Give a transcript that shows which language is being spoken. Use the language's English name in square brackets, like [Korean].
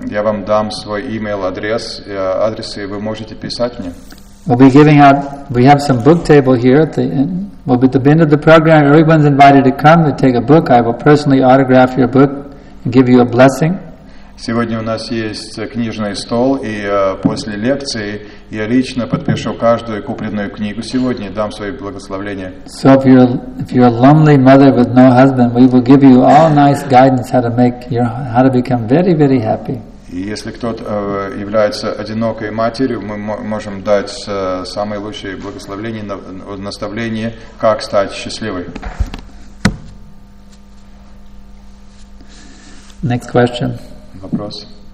[Russian] Я вам дам свой email адрес, и вы можете писать мне. [English] We'll be giving out. We have some book table here at the end. We'll be at the end of the program. Everyone's invited to come to take a book. I will personally autograph your book and give you a blessing. [Russian] Сегодня у нас есть книжный стол, и после лекции я лично подпишу каждую купленную книгу сегодня и дам свои благословения. [English] So if you're a lonely mother with no husband, we will give you all nice guidance how to become very, very happy. [Russian] И если кто-то является одинокой матерью, мы можем дать самые лучшие благословения, наставления, как стать счастливой. [English] Next question. [Russian] Вопрос.